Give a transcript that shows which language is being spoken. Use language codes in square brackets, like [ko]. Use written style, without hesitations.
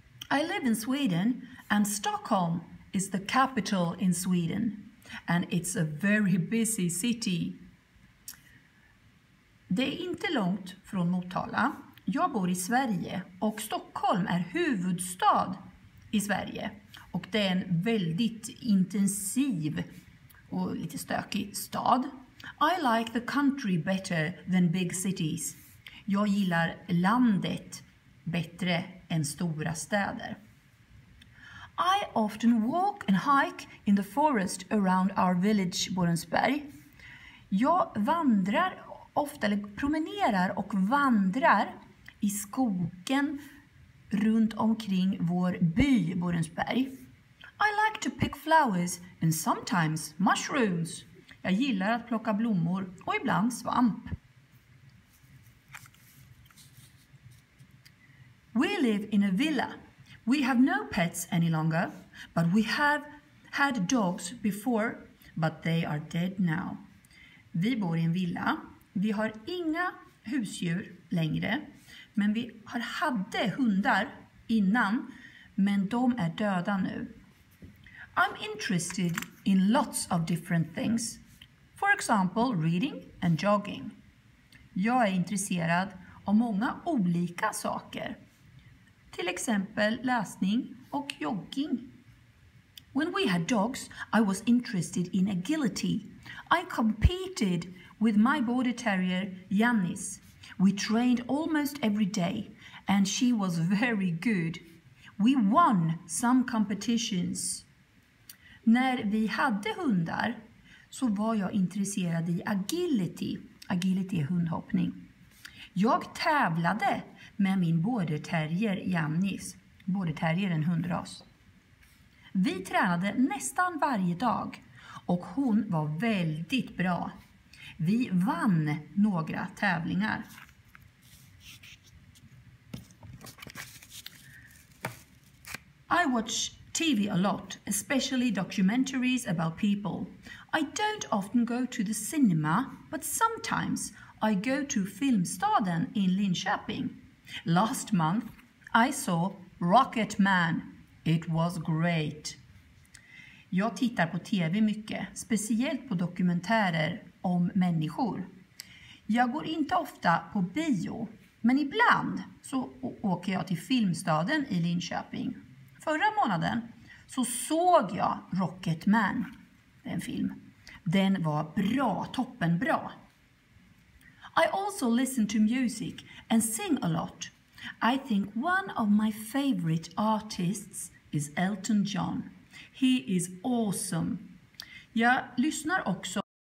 [en] I live in Sweden and Stockholm is the capital in Sweden. And it's a very busy city. [sv] Det är inte långt från Motala. Jag bor i Sverige och Stockholm är huvudstad i Sverige. Och det är en väldigt intensiv och lite stökig stad. [en] I like the country better than big cities. [sv] Jag gillar landet bättre än stora städer. [en] I often walk and hike in the forest around our village Borensberg. [sv] Jag vandrar ofta, eller promenerar och vandrar i skogen runt omkring vår by Borensberg. [en] I like to pick flowers and sometimes mushrooms. [sv] Jag gillar att plocka blommor och ibland svamp. [en] We live in a villa. We have no pets any longer, but we have had dogs before, but they are dead now. [sv] Vi bor i en villa. Vi har inga husdjur längre, men vi hade hundar innan, men de är döda nu. [en] I'm interested in lots of different things. For example, reading and jogging. [sv] Jag är intresserad av många olika saker. Till exempel läsning och jogging. [en] When we had dogs, I was interested in agility. I competed with my border terrier, Yannis. We trained almost every day and she was very good. We won some competitions. [sv] När vi hade hundar så var jag intresserad i agility. Agility är hundhoppning. Jag tävlade med min border terrier Yannis. Border terrier är en hundras. Vi tränade nästan varje dag och hon var väldigt bra. Vi vann några tävlingar. [en] I watch TV a lot, especially documentaries about people. I don't often go to the cinema, but sometimes I go to Filmstaden in Linköping. Last month I saw Rocket Man. It was great. [sv] Jag tittar på TV mycket, speciellt på dokumentärer om människor. Jag går inte ofta på bio, men ibland så åker jag till Filmstaden i Linköping. Förra månaden så såg jag Rocket Man, en film. Den var bra, toppen bra. [en] I also listen to music and sing a lot. I think one of my favorite artists is Elton John. He is awesome. [sv] Jag lyssnar också.